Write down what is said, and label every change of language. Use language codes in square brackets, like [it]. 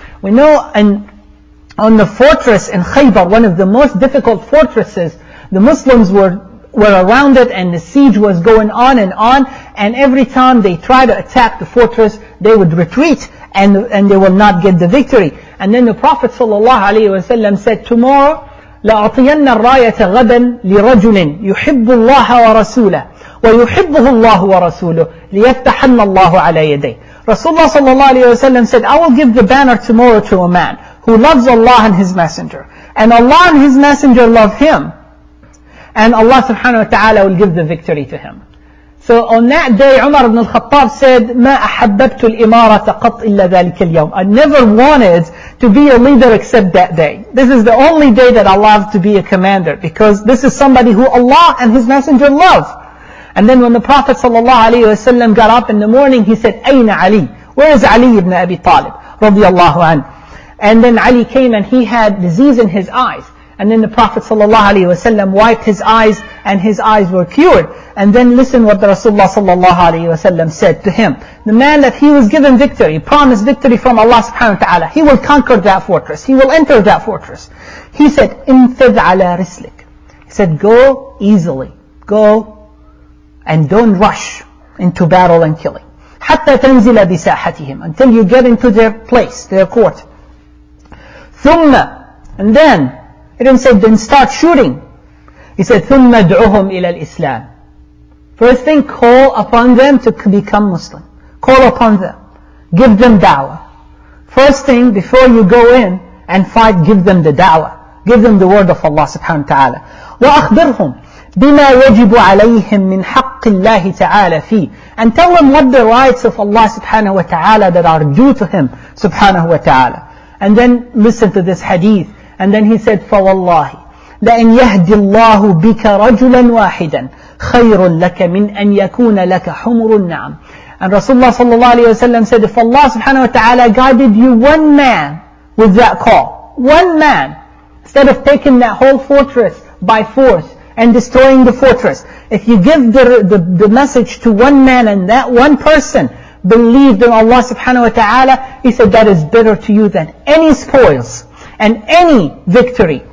[en] We know, and on the fortress in Khaybar, one of the most difficult fortresses, the Muslims were around it, and the siege was going on, and every time they try to attack the fortress, they would retreat, and they will not get the victory. And then the Prophet ﷺ said, tomorrow, [ar] لَأَعْطِيَنَّ الرَّايَةَ غَدًا لِرَجُلٍ يُحِبُّ اللَّهَ وَرَسُولَهُ وَيُحِبُّهُ اللَّهُ وَرَسُولُهُ لِيَفْتَحَنَّ اللَّهُ عَلَى يَدَيْهِ. [en] Rasulullah ﷺ said, I will give the banner tomorrow to a man who loves Allah and His Messenger, and Allah and His Messenger love him, and Allah subhanahu wa ta'ala will give the victory to him. So on that day, Umar ibn al-Khattab said, [ar] مَا أَحَبَّبْتُ الْإِمَارَةَ قَطْ إِلَّا ذَلِكَ الْيَوْمِ. [en] I never wanted to be a leader except that day. This is the only day that I love to be a commander, because this is somebody who Allah and His Messenger love. And then when the Prophet sallallahu alayhi wa sallam got up in the morning, he said, [ar] أَيْنَ [en] Ali? Where is Ali ibn Abi Talib? [ar] رضي الله عنه. [en] And then Ali came and he had disease in his eyes. And then the Prophet sallallahu alayhi wa sallam wiped his eyes, and his eyes were cured. And then listen what the Rasulullah sallallahu alayhi wa sallam said to him. The man that he was given victory, promised victory from Allah subhanahu wa ta'ala, he will conquer that fortress, he will enter that fortress. He said, [ar] انفذ على رسلك. [en] He said, go easily. Go and don't rush into battle and killing. [ar] حتى تنزل بساحتهم. [en] Until you get into their place, their court. [ar] ثم. [en] And then, he didn't say, then start shooting. He said, [ar] ثم ادعوهم إلى الإسلام. [en] First thing, call upon them to become Muslim. Call upon them. Give them da'wah. First thing, before you go in and fight, give them the da'wah. Give them the word of Allah subhanahu wa ta'ala. [ar] وَأَخْبِرْهُمْ بِمَا يَجِبُ عَلَيْهِمْ مِنْ حَقِّ اللَّهِ تَعَالَى فِيهِ. [en] And tell them what the rights of Allah subhanahu wa ta'ala that are due to Him subhanahu wa ta'ala. And then listen to this hadith. And then he said, [ar] فَوَاللَّهِ لَإِنْ يَهْدِ اللَّهُ بِكَ رَجُلًا وَاحِدًا خَيْرٌ لَكَ مِنْ أَنْ يَكُونَ لَكَ حُمُرُ النَّعَمِ. [en] And Rasulullah sallallahu alayhi wa sallam said, if Allah subhanahu wa ta'ala guided you one man with that call, one man, instead of taking that whole fortress by force and destroying the fortress, if you give the message to one man and that one person believed in Allah subhanahu wa ta'ala, he said, that is better to you than any spoils and any victory.